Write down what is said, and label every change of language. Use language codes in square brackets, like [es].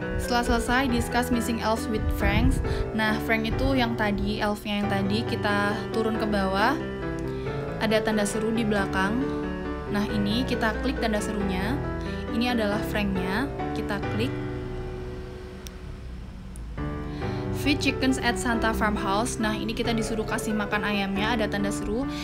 [id] Setelah selesai, [en] discuss missing elves with Frank. [id] Nah, Frank itu yang tadi, elfnya yang tadi, kita turun ke bawah. Ada tanda seru di belakang. Nah, ini kita klik tanda serunya. Ini adalah Frank-nya, kita klik. [en] Feed chickens at Santa Farmhouse. [id] Nah, ini kita disuruh kasih makan ayamnya, ada tanda seru.